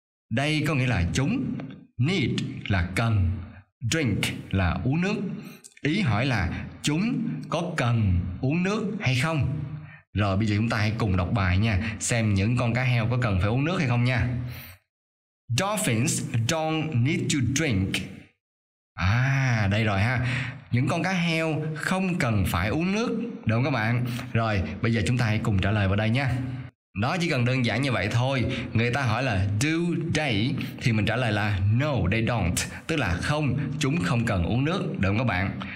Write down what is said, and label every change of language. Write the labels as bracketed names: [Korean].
[Vietnamese] Đây có nghĩa là chúng. Need là cần. Drink là uống nước. Ý hỏi là chúng có cần uống nước hay không? Rồi bây giờ chúng ta hãy cùng đọc bài nha, xem những con cá heo có cần phải uống nước hay không nha. [English] Dolphins don't need to drink. [Vietnamese] À, đây rồi ha. những con cá heo không cần phải uống nước, đúng không các bạn? Rồi, bây giờ chúng ta hãy cùng trả lời vào đây nha. Nó chỉ cần đơn giản như vậy thôi. Người ta hỏi là [English] do they [Vietnamese] thì mình trả lời là [English] no they don't, [Vietnamese] tức là không, chúng không cần uống nước, đúng không các bạn?